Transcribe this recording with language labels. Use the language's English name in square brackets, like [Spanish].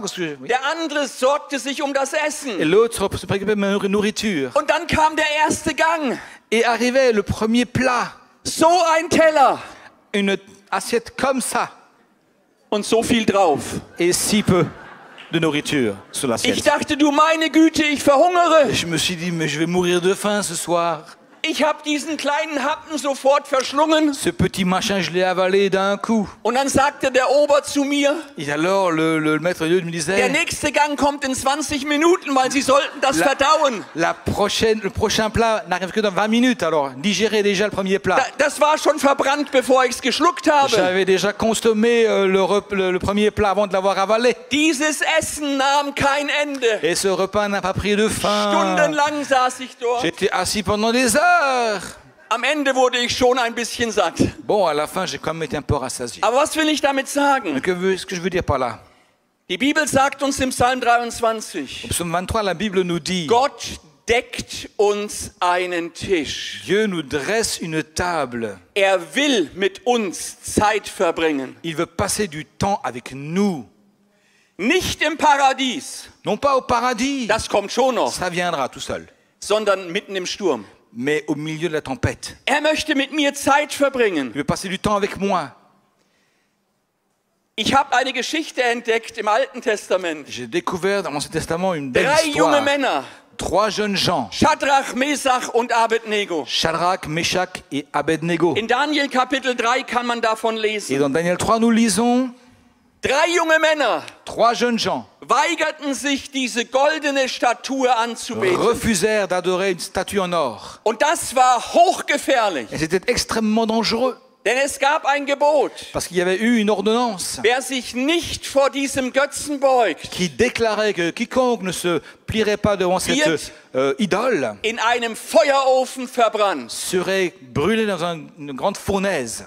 [German] Der andere sorgte sich um das Essen. [French] Et l'autre se préoccupait de ma nourriture. [German] Und dann kam der erste Gang. [French] Et arrivait le premier plat. [German] So ein Teller. [French] Une assiette comme ça. [German] Und so viel drauf. [French] Et si peu de nourriture sur l'assiette. [German] Ich dachte, du meine Güte, ich verhungere. [French] Je me suis dit, mais je vais mourir de faim ce soir. [German] Ich habe diesen kleinen Happen sofort verschlungen. [French] Ce petit machin, je l'ai avalé d'un coup. [German] Und dann sagte der Ober zu mir. [French] Et alors le maître de Dieu me disait. [German] Der nächste Gang kommt in 20 Minuten, weil sie sollten das verdauen. [French] Le prochain plat n'arrive que dans 20 minutes. Alors digérez déjà le premier plat. [German] Das war schon verbrannt, bevor ich es geschluckt habe. [French] J'avais déjà consommé le premier plat avant de l'avoir avalé. [German] Dieses Essen nahm kein Ende. [French] Et ce repas n'a pas pris de fin. [German] Stundenlang saß ich dort. [French] J'étais assis pendant des heures. [German] Am Ende wurde ich schon ein bisschen satt. [French] Bon, à la fin, j'ai quand même été un peu rassasié. [German] Aber was will ich damit sagen? [French] Que je veux dire par là? [German] Die Bibel sagt uns im Psalm 23. [French] Au psaume 23, la Bible nous dit. [German] Gott deckt uns einen Tisch. [French] Dieu nous dresse une table. [German] Er will mit uns Zeit verbringen. [French] Il veut passer du temps avec nous. [German] Nicht im Paradies. [French] Non pas au paradis. [German] Das kommt schon noch. [French] Ça viendra tout seul. [German] Sondern mitten im Sturm. [French] Mais au milieu de la tempête. [German] Er möchte mit mir Zeit verbringen. [French] Il veut passer du temps avec moi. [German] Ich habe eine Geschichte entdeckt im Alten Testament. [French] J'ai découvert dans l'Ancien Testament une belle histoire. [German] Drei junge Männer. [French] Trois jeunes gens. [German] Shadrach, Meshach und Abednego. [French] Shadrach, Meshach et Abednego. [German] In Daniel Kapitel 3 kann man davon lesen. [French] Et dans Daniel 3 nous lisons. [German] Drei junge Männer. [French] Trois jeunes gens. [German] Weigerten sich, diese goldene Statue anzubeten. [French] Refusèrent d'adorer une statue en or. [German] Und das war hochgefährlich. [French] Et c'était extrêmement dangereux. [German] Denn es gab ein Gebot. [French] Parce qu'il y avait eu une ordonnance. [German] Wer sich nicht vor diesem Götzen beugt. [French] Qui déclarait que quiconque ne se plierait pas devant cette idole. [German] In einem Feuerofen verbrannt. [French] Serait brûlé dans une grande fournaise.